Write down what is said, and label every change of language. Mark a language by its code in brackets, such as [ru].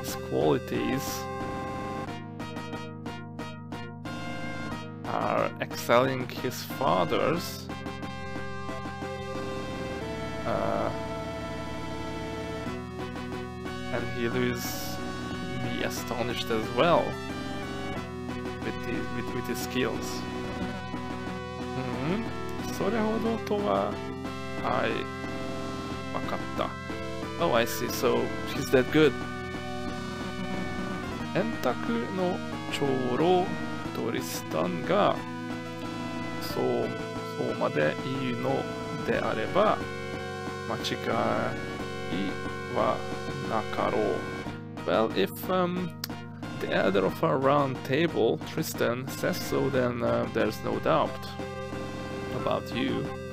[en] Qualities are excelling his father's and he will be astonished as well with his skills. [ja] それほどとは、分かった。 [en] Oh, I see. So he's that good. [ja] 円卓の長老トリスタンがそうまで言うのであれば間違いはなかろう。 [en] Well, if the elder of our round table, Tristan, says so, then there's no doubt about you.